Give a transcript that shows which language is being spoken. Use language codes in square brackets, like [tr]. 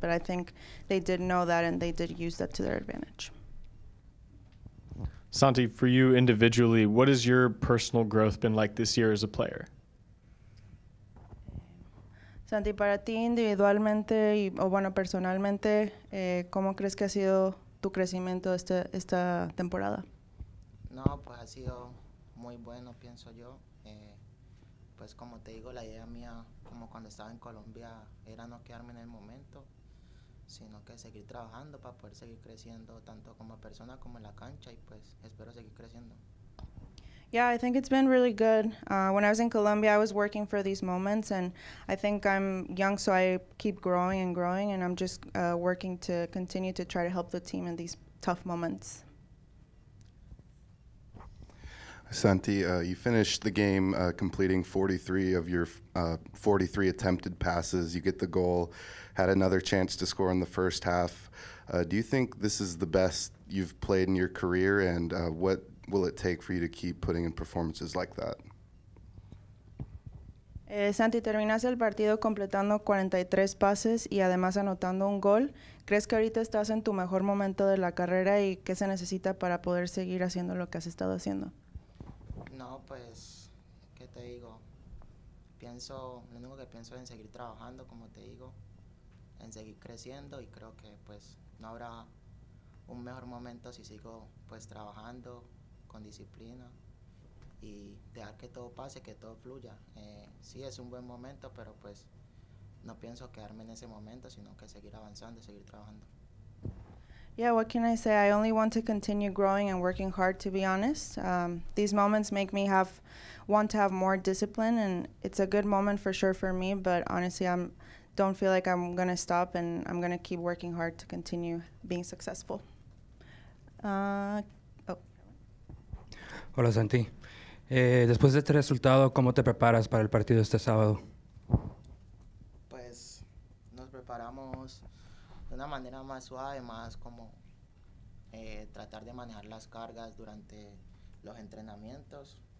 [en] But I think they did know that, and they did use that to their advantage. Santi, for you individually, what has your personal growth been like this year as a player? [es] Santi, para ti individualmente y, personalmente, ¿cómo crees que ha sido tu crecimiento esta temporada? No, pues ha sido muy bueno, pienso yo. Pues como te digo, la idea mía, como cuando estaba en Colombia, era no quedarme en el momento, sino que seguir trabajando para poder seguir creciendo tanto como persona como en la cancha, y pues espero seguir creciendo. [en] Yeah, I think it's been really good. When I was in Colombia, I was working for these moments, and I think I'm young, so I keep growing and growing, and I'm just working to continue to try to help the team in these tough moments. Santi, you finished the game completing 43 of your 43 attempted passes. You get the goal, had another chance to score in the first half. Do you think this is the best you've played in your career, and what will it take for you to keep putting in performances like that? [es] Santi, terminas el partido completando 43 pases y además anotando un gol. ¿Crees que ahorita estás en tu mejor momento de la carrera y qué se necesita para poder seguir haciendo lo que has estado haciendo? No, pues, ¿qué te digo? Pienso, lo único que pienso es en seguir trabajando, como te digo, en seguir creciendo, y creo que, pues, no habrá un mejor momento si sigo, pues, trabajando con disciplina y dejar que todo pase, que todo fluya. Sí, es un buen momento, pero, pues, no pienso quedarme en ese momento, sino que seguir avanzando y seguir trabajando. [en] Yeah, what can I say? I only want to continue growing and working hard, to be honest. These moments make me want to have more discipline, and it's a good moment for sure for me, but honestly, I don't feel like I'm going to stop, and I'm going to keep working hard to continue being successful. [es] Hola, Santi. Después de este resultado, ¿cómo te preparas para el partido este sábado? Pues, nos preparamos de una manera más suave, más como tratar de manejar las cargas durante los entrenamientos.